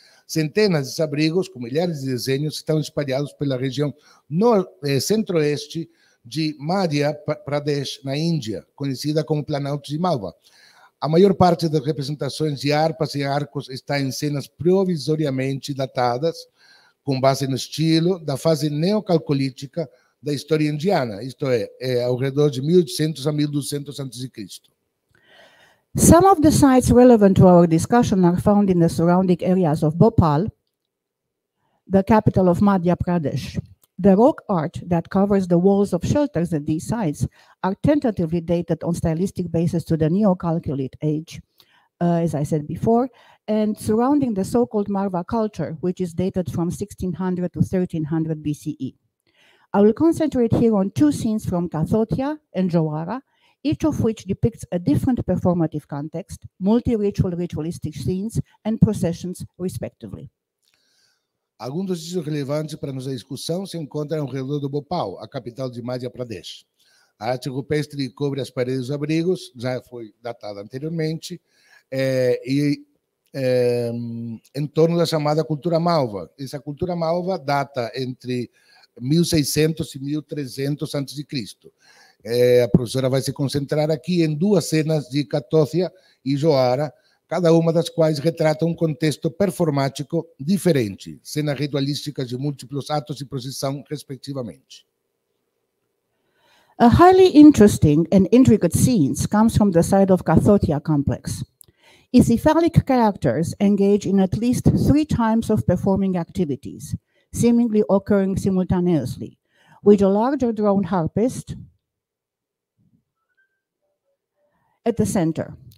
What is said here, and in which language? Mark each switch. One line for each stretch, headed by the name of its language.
Portuguese: Centenas de abrigos, com milhares de desenhos, estão espalhados pela região centro-oeste de Madhya Pradesh, na Índia, conhecida como Planalto de Malwa. A maior parte das representações de harpas e arcos está em cenas provisoriamente datadas, com base no estilo da fase neocalcolítica da história indiana, isto é ao redor de 1800 a 1200 a.C.
English: Some of the sites relevant to our discussion are found in the surrounding areas of Bhopal, the capital of Madhya Pradesh. The rock art that covers the walls of shelters at these sites are tentatively dated on stylistic basis to the Neo-Chalcolithic age, as I said before, and surrounding the so-called Malwa culture, which is dated from 1600 to 1300 BCE. I will concentrate here on two scenes from Kathotia and Jawara, each of which depicts a different performative context, multi-ritual ritualistic scenes, and processions, respectively.
Portuguese: Alguns dos sítios relevantes para nossa discussão se encontram ao redor do Bhopal, a capital de Madhya Pradesh. A arte rupestre cobre as paredes dos abrigos, já foi datada anteriormente, em torno da chamada cultura malva. Essa cultura malva data entre 1600 e 1300 a.C. A professora vai se concentrar aqui em duas cenas de Catócia e Joara, cada uma das quais retrata um contexto performático diferente, cenas ritualísticas de múltiplos atos e procissão, respectivamente.
English: A highly interesting and intricate scenes comes from the side of Catócia complex. Its phallic characters engage in at least three times of performing activities, seemingly occurring simultaneously, with a larger drone harpist at the center.